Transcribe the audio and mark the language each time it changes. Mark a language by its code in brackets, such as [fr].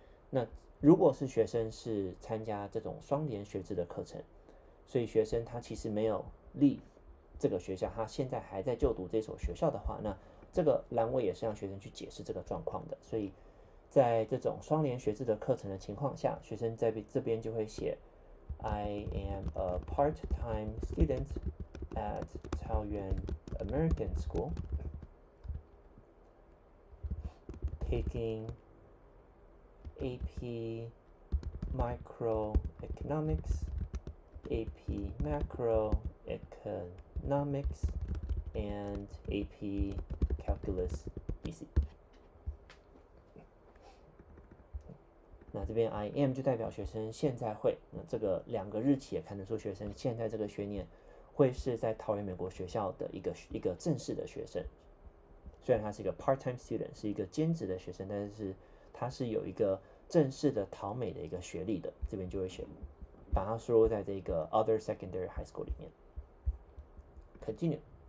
[zh] 那如果是学生是参加这种双联学制的课程，所以学生他其实没有 leave 这个学校，他现在还在就读这所学校的话，那这个栏位也是让学生去解释这个状况的。所以在这种双联学制的课程的情况下，学生在这边就会写。 [en] I am a part-time student at Taoyuan American School, taking AP Microeconomics, AP Macroeconomics, and AP Calculus BC. [zh] 那这边 [en] I am [zh] 就代表学生现在会，那这个两个日期也看得出学生现在这个学年会是在桃园美国学校的一个正式的学生，虽然他是一个 part-time student，是一个兼职的学生，但是他是有一个正式的桃美的一个学历的，这边就会选，把它输入在这个 [en] other secondary high school [zh] 里面，continue。